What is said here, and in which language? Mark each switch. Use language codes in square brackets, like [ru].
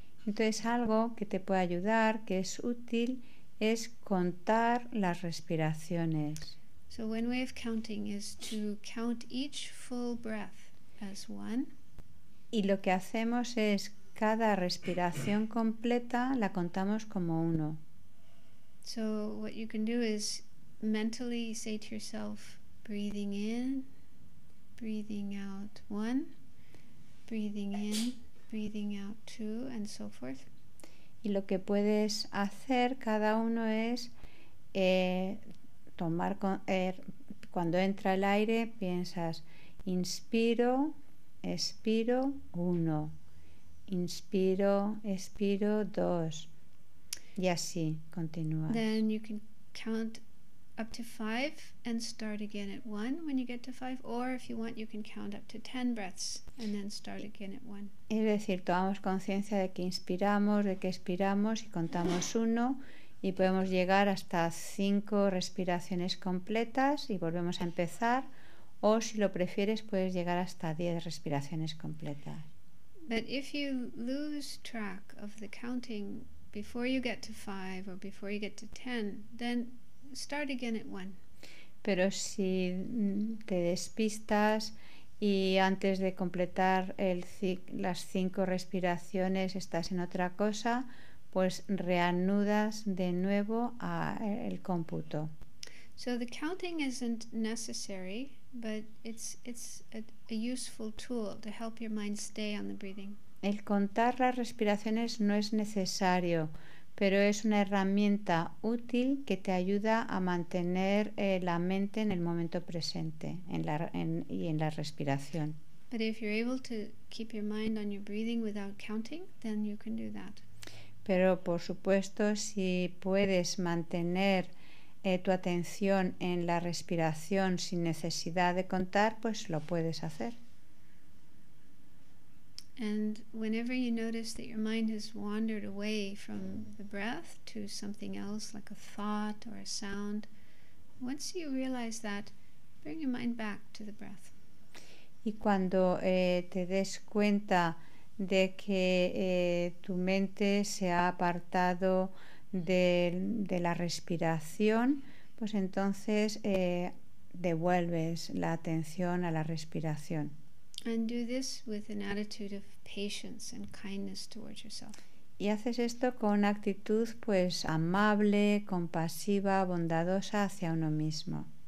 [es] Entonces algo que te puede ayudar, que es útil, es contar las respiraciones. [en] So one way of counting is to count each full breath as one. [es] Y lo que hacemos es cada respiración completa la contamos como uno. [en] So what you can do is mentally say to yourself, breathing in, breathing out one, breathing in, breathing out two, and so forth. [es] Y lo que puedes hacer cada uno es tomar cuando entra el aire, piensas, inspiro, expiro, uno, inspiro, expiro, dos, y así continúas. [en] Then you can count up to five and start again at one when you get to five, or if you want you can count up to 10 breaths and then start again at one. [es] Es decir, tomamos conciencia de que inspiramos, de que expiramos y contamos uno, y podemos llegar hasta 5 respiraciones completas y volvemos a empezar. O si lo prefieres puedes llegar hasta 10 respiraciones completas. [en] But if you lose track of the counting before you get to 5 or before you get to 10, then start again at 1. [es] Pero si te despistas y antes de completar las 5 respiraciones estás en otra cosa, pues reanudas de nuevo el cómputo. [en] So the counting isn't necessary. But it's a useful tool to help your mind stay on the breathing. [es] El contar las respiraciones no es necesario, pero es una herramienta útil que te ayuda a mantener la mente en el momento presente en la respiración. [en] But if you're able to keep your mind on your breathing without counting, then you can do that. [es] Pero por supuesto, si puedes mantener tu atención en la respiración sin necesidad de contar, pues lo puedes hacer. [en] And whenever you notice that your mind has wandered away from the breath to something else, like a thought or a sound, once you realize that, bring your mind back to the breath. [es] Y cuando te des cuenta de que tu mente se ha apartado de la respiración, pues entonces devuelves la atención a la respiración. [en] And do this with an attitude of patience and kindness towards yourself. [es] Y haces esto con una actitud pues amable, compasiva, bondadosa hacia uno mismo.